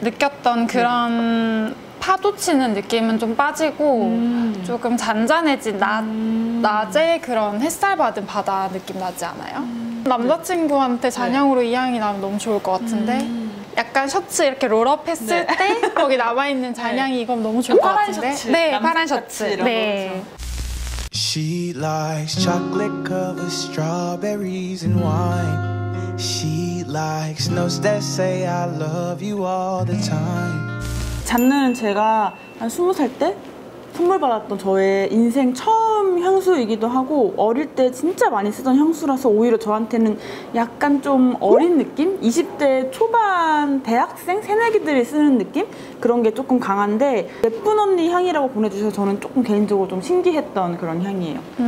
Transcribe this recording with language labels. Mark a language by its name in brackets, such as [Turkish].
[Korean] 느꼈던 그런 네. 파도치는 느낌은 좀 빠지고 조금 잔잔해진 낮에 그런 햇살 받은 바다 느낌 나지 않아요? 남자친구한테 잔향으로 네. 이 향이 나면 너무 좋을 것 같은데 약간 셔츠 이렇게 롤업 했을 네. 때 거기 남아있는 잔향이 네. 이건 너무 좋을 것 같은데 셔츠. 네, 파란 셔츠 네. [English] She likes chocolate covered strawberries and wine. She likes notes that say I love you all the time. [Korean] 잔느는 제가 한 20살 때 선물 받았던 저의 인생 처음 향수이기도 하고 어릴 때 진짜 많이 쓰던 향수라서 오히려 저한테는 약간 좀 어린 느낌? 20대 초반 대학생 새내기들이 쓰는 느낌? 그런 게 조금 강한데 예쁜 언니 향이라고 보내주셔서 저는 조금 개인적으로 좀 신기했던 그런 향이에요.